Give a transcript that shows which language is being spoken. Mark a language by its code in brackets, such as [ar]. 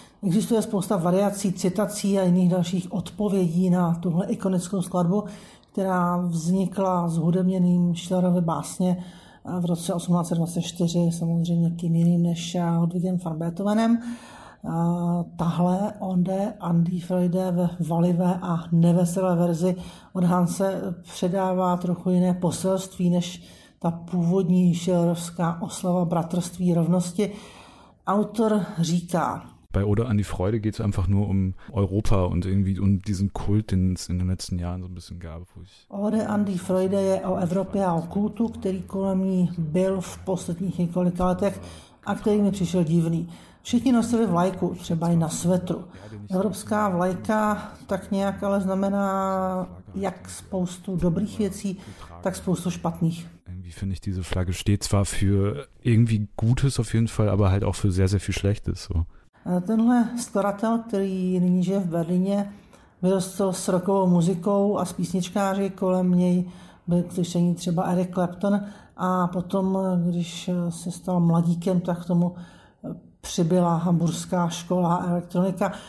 [cs] Existuje spousta variací, citací a jiných dalších odpovědí na tuhle ikonickou skladbu, která vznikla s hudebněným Schillerovy básně v roce 1824, samozřejmě kým jiným než Ludwigem van Beethovenem. Tahle Ode an die Freude v valivé a neveselé verzi od Hanse předává trochu jiné poselství než ta původní Schillerovská oslava bratrství rovnosti. Autor říká: [de] Bei Ode an die Freude geht es einfach nur um Europa und irgendwie um diesen Kult, den es in den letzten Jahren so ein bisschen gab. [cs] Ode an die Freude je o Evropě a o kultu, který kolem ní byl v posledních několika letech a který mi přišel divný. Všichni nosili vlajku, třeba i na svetru. Evropská vlajka tak nějak ale znamená jak spoustu dobrých věcí, tak spoustu špatných. [de] Irgendwie finde ich diese Flagge steht zwar für irgendwie Gutes auf jeden Fall, aber halt auch für sehr, sehr viel Schlechtes. So. [cs] Tenhle skladatel, který nyní žije v Berlíně, vyrostl s rockovou muzikou a s písničkáři kolem něj byl k slyšení třeba Eric Clapton a potom, když se stal mladíkem, tak k tomu přibyla hamburská škola elektronika.